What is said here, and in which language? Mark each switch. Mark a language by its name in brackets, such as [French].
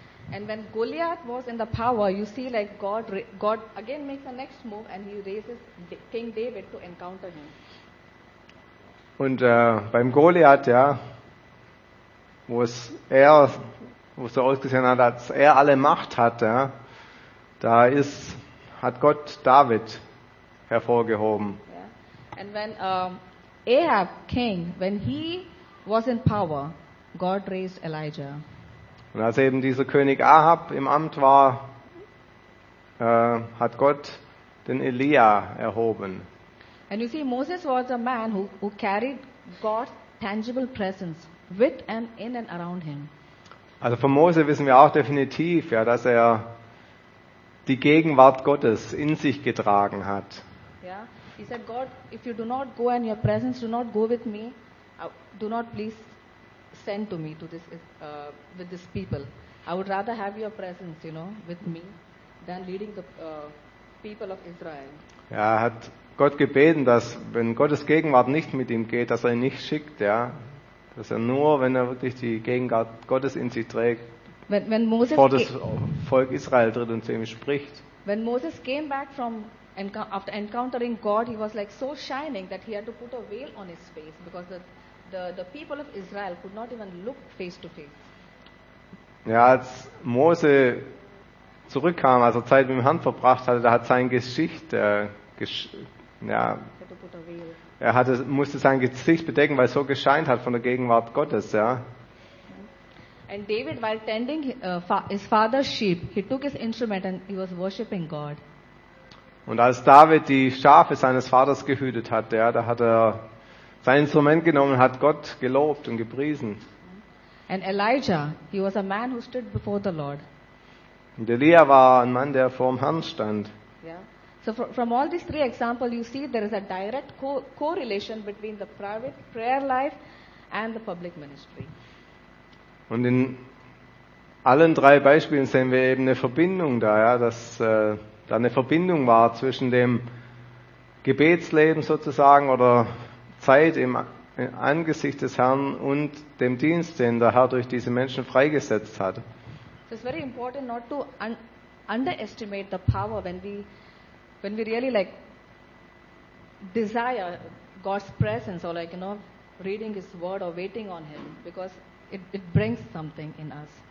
[English] And when Goliath was in the power, you see, like God again makes the next move, and he raises King David to encounter him. [German] Und beim Goliath, ja, wo es so ausgesehen hat, dass er alle Macht hat, ja, da hat Gott David hervorgehoben. [English] Yeah. And when Ahab king, when he was in power, God raised Elijah. [German] Und als eben dieser König Ahab im Amt war, hat Gott den Elia erhoben. [English] And you see, Moses was a man who carried God's tangible presence with and in and around him. [German] Also von Mose wissen wir auch definitiv, ja, dass er die Gegenwart Gottes in sich getragen hat. [English] Yeah. He said, God, if you do not go and your presence do not go with me, do not please sent to me to this with these people. I would rather have your presence, you know, with me than leading the people of Israel. [German] Ja, hat Gott gebeten, dass wenn Gottes Gegenwart nicht mit ihm geht, dass er ihn nicht schickt, ja, dass er nur, wenn er wirklich die Gegenwart Gottes in sich trägt, [English] when Moses [German] vor das Volk Israel tritt und zu ihm spricht. [English] When Moses came back from after encountering God, he was like so shining that he had to put a veil on his face because the people of Israel could not even look face to face. [German] Ja, als Mose zurückkam, als er Zeit mit dem Herrn verbracht hatte, da hat sein Gesicht musste sein Gesicht bedecken, weil es so gescheint hat von der Gegenwart Gottes, ja. [English] And David, while tending his father's sheep, he took his instrument and he was worshiping God. [German] Und als David die Schafe seines Vaters gehütet hat, ja, da hat er sein Instrument genommen und hat Gott gelobt und gepriesen. [English] And Elijah, he was a man who stood before the Lord. [German] Und Elia war ein Mann, der vor dem Herrn stand. [English] Yeah. So from all these three examples, you see there is a direct correlation between the private prayer life and the public ministry. [German] Und in allen drei Beispielen sehen wir eben eine Verbindung da, ja, dass da eine Verbindung war zwischen dem Gebetsleben sozusagen oder Zeit im Angesicht des Herrn und dem Dienst, den der Herr durch diese Menschen freigesetzt hat. [English] So it's very important not to underestimate the power when we really like desire God's presence or like, you know, reading His word or waiting on Him, because it brings something in us.